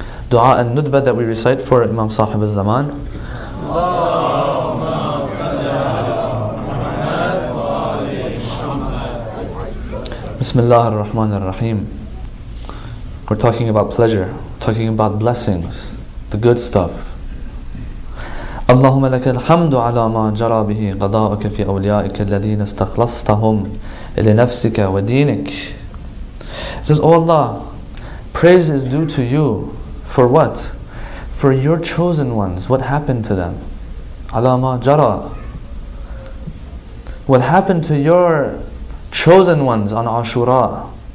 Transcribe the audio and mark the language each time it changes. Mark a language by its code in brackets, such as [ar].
[en] Dua and Nudba that we recite for Imam Sahib al-Zaman. Bismillah ar-Rahman ar-Rahim. We're talking about pleasure, talking about blessings, the good stuff. [ar] اللهم لك الحمد على ما جرى به قضاءك في أوليائك الذين استخلصتهم لنفسك ودينك. [en] It says, O Allah, praise is due to you. For what? For your chosen ones. What happened to them? [ar] على ما جرى. [en] What happened to your chosen ones on Ashura?